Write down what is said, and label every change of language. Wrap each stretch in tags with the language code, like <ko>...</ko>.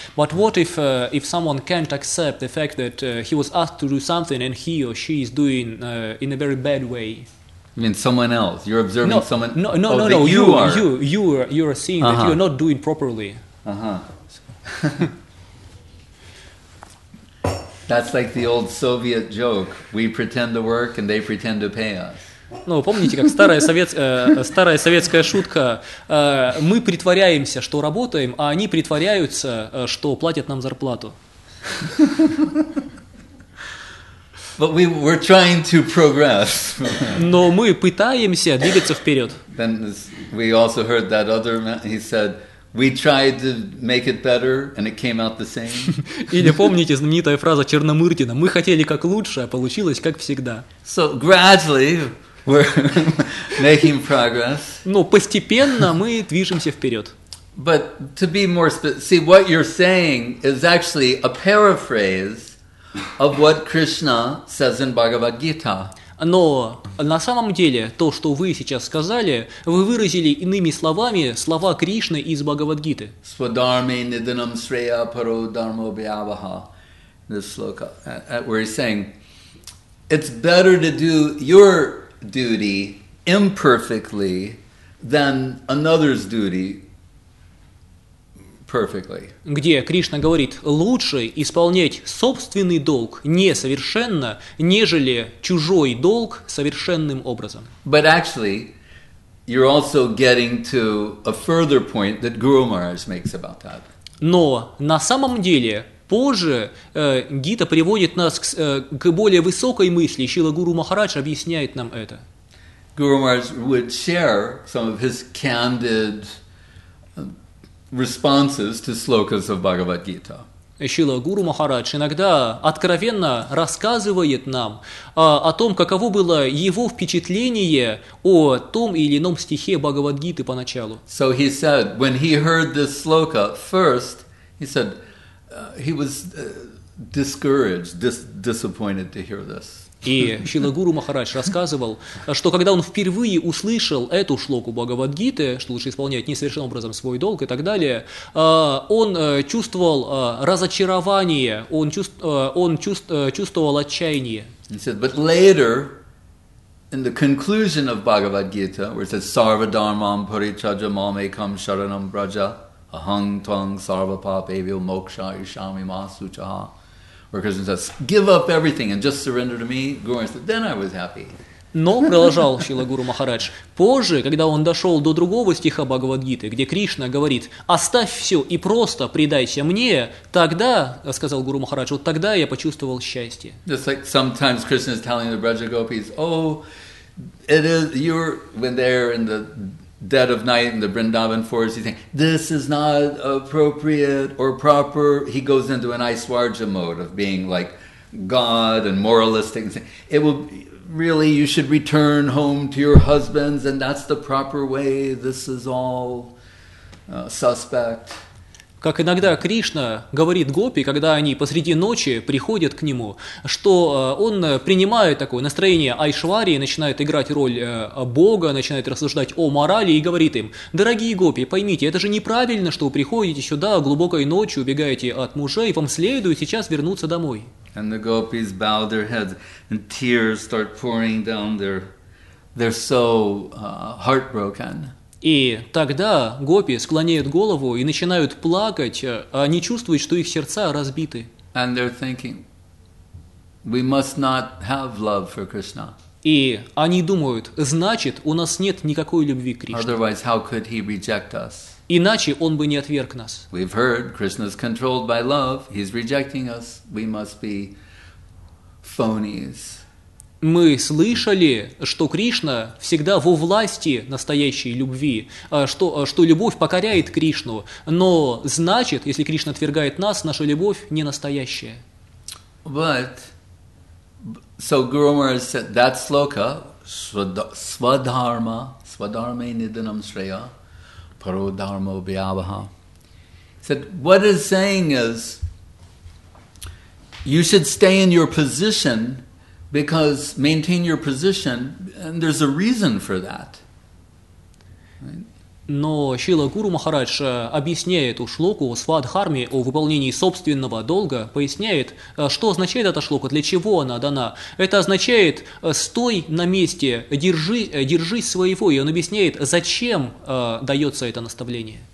<en>But what if someone can't accept the fact that he was asked to do something and he or she is doing in a very bad way? You mean someone else? You're observing someone? No. You are seeing that you are not doing properly. That's like the old Soviet joke. We pretend to work and they pretend to pay us.</en> <ru>Ну, помните, как старая советская шутка? Мы притворяемся, что работаем, а они притворяются, что платят нам зарплату.</ru> <en>But we're trying to progress.</en> <ru>Но мы пытаемся двигаться вперед.</ru> <en>Then we also heard that other man, he said, we tried to make it better, and it came out the same.</en> <ru>Или помните знаменитая фраза Черномырдина: "Мы хотели как лучше, а получилось как всегда."</ru> <en>So gradually we're making progress.</en> <ru>Ну, постепенно мы движемся вперед.</ru> <en>But to be more specific, see what you're saying is actually a paraphrase of what Krishna says in Bhagavad Gita.</en> <ru>Но на самом деле то, что вы сейчас сказали, вы выразили иными словами слова Кришны из Бхагавадгиты.</ru> <sa>Свадхарме ниданам срея паро дармо бьяваха.</sa> <en>This sloka, where he's saying, it's better to do your duty imperfectly than another's duty perfectly.</en> <ru>Где Кришна говорит, лучше исполнять собственный долг несовершенно, нежели чужой долг совершенным образом.</ru> <en>But actually, you're also getting to a further point that Guru Maharaj makes about that.</en> <ru>Но на самом деле позже Гита приводит нас к более высокой мысли. Шрила Гуру Махарадж объясняет нам это.</ru> <en>Guru Maharaj would share some of his candid responses to slokas of Bhagavad Gita.</en> <ru>Шрила Гуру Махарадж иногда откровенно рассказывает нам о том, каково было его впечатление о том или ином стихе Бхагавад Гиты поначалу.</ru> <en>So he said, when he heard this sloka first, he said he was discouraged, disappointed to hear this.</en> <ru>И Шрила Гуру Махарадж рассказывал, что когда он впервые услышал эту шлоку Бхагавадгиты, что лучше исполнять несовершенным образом свой долг и так далее, он чувствовал разочарование, он чувствовал отчаяние.</ru> <en>He said, but later, in the conclusion of Bhagavad Gita, where it says</en> <sa>"Sarva dharmam parityaja mam ekam sharanam braja aham tvam sarva papevyo moksha yishami ma sucaha."</sa> <en>Where Krishna says, give up everything and just surrender to me, Guru Maharaj said, then I was happy.</en> <ru>Но, продолжал Шрила Гуру Махарадж, позже, когда он дошел до другого стиха Бхагавадгиты, где Кришна говорит: «Оставь все и просто предайся мне», тогда, сказал Гуру Махарадж, вот тогда я почувствовал счастье.</ru> <en>Just like sometimes Krishna is telling the Braja Gopis, oh, it is, you're, when they're in the dead of night in the Vrindavan forest, you think, this is not appropriate or proper. He goes into an Aishwarya mode of being like God and moralistic. It will be, really, you should return home to your husbands, and that's the proper way. This is all suspect.</en> <ru>Как иногда Кришна говорит гопи, когда они посреди ночи приходят к нему, что он принимает такое настроение Айшвари, начинает играть роль Бога, начинает рассуждать о морали и говорит им: «Дорогие гопи, поймите, это же неправильно, что вы приходите сюда глубокой ночью, убегаете от мужа, и вам следует сейчас вернуться домой».</ru> <en>And the gopis bow their heads, and tears start pouring down their... They're so heartbroken.</en> <ru>И тогда гопи склоняют голову и начинают плакать, они чувствуют, что их сердца разбиты.</ru> <en>And they're thinking, we must not have love for Krishna.</en> <ru>И они думают, значит, у нас нет никакой любви к Кришне.</ru> <en>Otherwise, how could he reject us?</en> <ru>Иначе он бы не отверг нас.</ru> <en>We've heard Krishna's controlled by love. He's rejecting us. We must be phonies.</en> <ru>Мы слышали, что Кришна всегда во власти настоящей любви, что любовь покоряет Кришну, но значит, если Кришна отвергает нас, наша любовь не настоящая.</ru> <en>But, so Guru Maharaj said that sloka,</en> <sa>svadharma, svadharma nidanam shreya, paro dharma vyavaha.</sa> <en>Said, what it's saying is, you should stay in your position. Because maintain your position, and there's a reason for that.</en> <ru>Но Шрила Гуру Махарадж объясняет эту шлоку о свадхарме, о выполнении собственного долга, поясняет, что означает эта шлока, для чего она дана. Это означает: стой на месте, держись своего. И он объясняет, зачем дается это наставление.</ru>